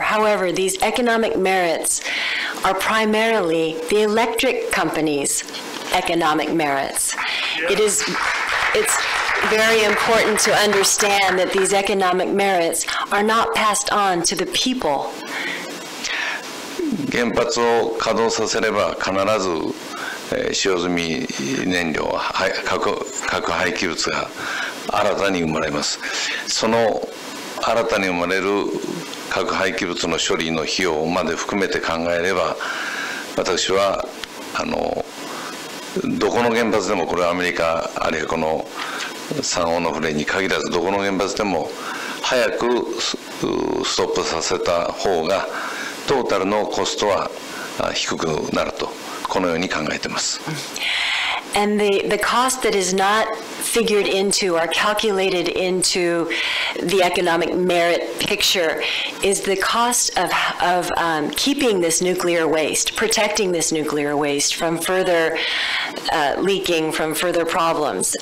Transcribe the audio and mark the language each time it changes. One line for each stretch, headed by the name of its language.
English: However, these economic merits are primarily the electric companies' economic merits. It's very important to understand that these economic merits are not passed on to the people.
Japanese: 原発を稼働させれば必ず使用済み燃料は核廃棄物が新たに生まれます。その新たに生まれる核廃棄物の処理の費用まで含めて考えれば、私はどこの原発でも、これはアメリカあるいはこの三オノフレに限らず、どこの原発でも早くストップさせた方がトータルのコストは低くなると、このように考えています。
English: And the cost that is not figured into or calculated into the economic merit picture is the cost of keeping this nuclear waste, protecting this nuclear waste from further leaking, from further problems.